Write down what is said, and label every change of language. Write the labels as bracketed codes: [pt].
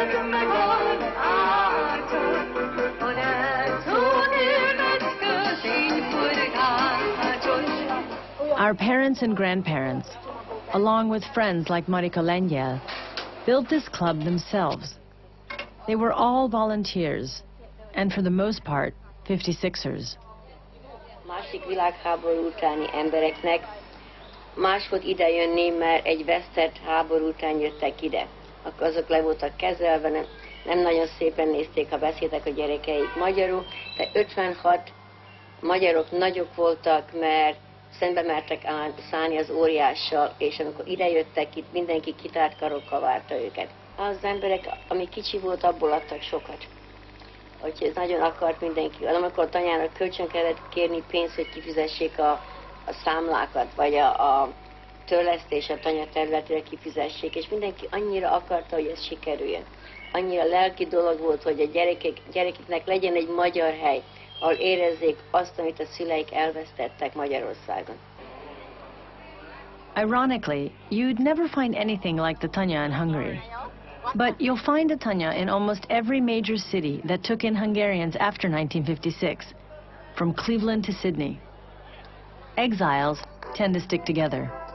[hu] Megold, áltod, ha nem tudni. [en] Our parents and grandparents, along with friends like Marika Lenya, built this club themselves. They were all volunteers, and for the most part, 56ers. [hu] Másik világháború utáni embereknek más volt ide jönni, mert egy vesztett háború után jöttek ide. Azok le voltak kezelve, nem nagyon szépen nézték, ha beszéltek a gyerekeik magyarul, de 56 magyarok nagyok voltak, mert szembe mertek szállni az óriással, és amikor ide jöttek itt, mindenki kitárt karokkal várta őket. Az emberek, ami kicsi volt, abból adtak sokat. Úgyhogy ez nagyon akart mindenki. Amikor a tanyának kölcsön kellett kérni pénzt, hogy kifizessék a számlákat, vagy a törlesztés a tanya területére kifizessék, és mindenki annyira akarta, hogy ez sikerüljön. Annyira lelki dolog volt, hogy a gyerekeknek legyen egy magyar hely, ahol érezzék azt, amit a szüleik elvesztettek Magyarországon. [en] Ironically, you'd never find anything like the tanya in Hungary. But you'll find a tanya in almost every major city that took in Hungarians after 1956, from Cleveland to Sydney. Exiles tend to stick together.